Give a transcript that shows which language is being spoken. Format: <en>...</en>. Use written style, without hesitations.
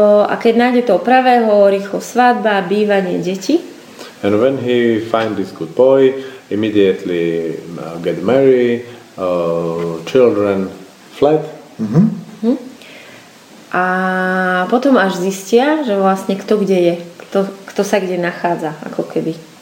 <sk>A keď nájde toho pravého, rýchlo svadba, bývanie, deti.</sk> <en>And when he find this good boy, immediately get married, children, flat. Mm-hmm.</en> <sk>A potom až zistia, že vlastne kto kde je, kto sa kde nachádza, ako keby.</sk>